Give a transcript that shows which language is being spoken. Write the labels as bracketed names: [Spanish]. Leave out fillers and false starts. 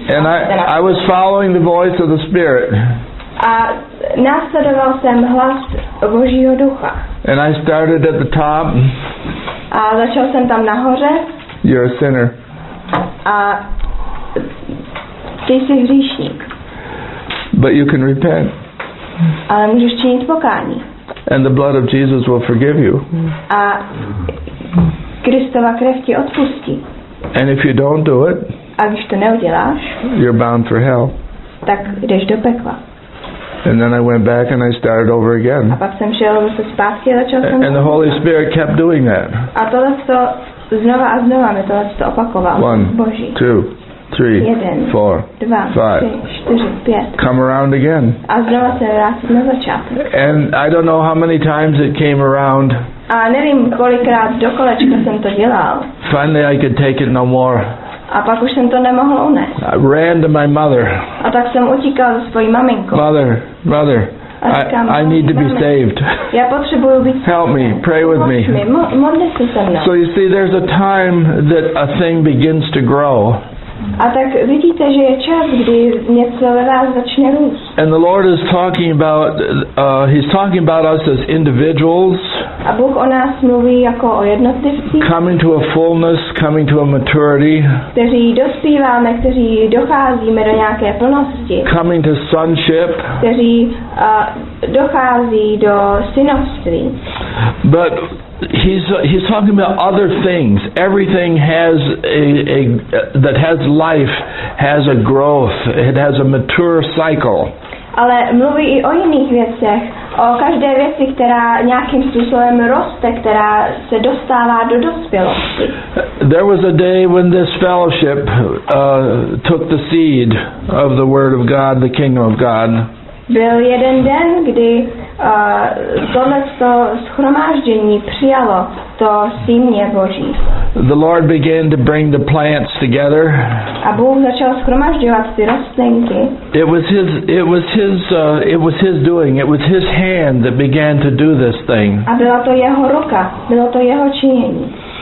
[English] And I was following the voice of the Spirit. [Czech] A následoval jsem hlas Božího ducha. [English] And I started at the top. [Czech] A začal jsem tam nahoře. [English] You're a sinner. [Czech] A ty jsi hříšník. [English] But you can repent. [Czech] Ale můžeš činit pokání. [English] And the blood of Jesus will forgive you. [Czech] A Kristova krev ti odpustí. [English] And if you don't do it, [Czech] a když to neuděláš, [English] you're bound for hell. [Czech] Tak jdeš do pekla. [English] And then I went back and I started over again. [Czech] A pak jsem šel zase zpátky a začal jsem. [English] And the Holy Spirit kept doing that. [Czech] A tohle to znova a znova mi tohle to opakoval. [English] One, [Czech] Boží. [English] Two, three, [Czech] jeden, [English] four, [Czech] dva, [English] five, [Czech] tři, čtyři, pět. [English] Come around again. [Czech] A znova se vrátit na začátek. [English] And I don't know how many times it came around. [Czech] A nevím, kolikrát dokolečka jsem to dělal. [English] Finally I could take it no more. [Czech] A pak už jsem to nemohl unést. [English] I ran to my mother. [Czech] A tak jsem utíkal za svojí maminkou. [English] Mother, mother, [Czech] říkám, [English] I need to be saved. [Czech] Já potřebuju být. [English] Help me, pray with me. [Czech] Modli se se mnou. [English] So you see, there's a time that a thing begins to grow. [Czech] A tak vidíte, že je čas, kdy něco ve vás začne růst. [English] And the Lord is talking about, he's talking about us as individuals. [Czech] A Bůh o nás mluví jako o jednotlivcích. [English] Coming to a fullness, coming to a maturity. [Czech] Kteří dospíváme, kteří docházíme do nějaké plnosti. [English] Coming to sonship. [Czech] Kteří dochází do synovství. [English] But he's talking about other things. Everything has a that has life has a growth. It has a mature cycle. [Czech] Ale mluví i o jiných věcech, o každé věci, která nějakým způsobem roste, která se dostává do dospělosti. [English] There was a day when this fellowship took the seed of the word of God, the kingdom of God. [Czech] Byl jeden den, kdy tohleto shromáždění přijalo to sýmě Boží. [English] The Lord began to bring the plants together. [Czech] A Bůh začal shromažďovat ty rostlinky. [English] It was his doing. It was his hand that began to do this thing. [Czech] A byla to jeho ruka, bylo to jeho činění.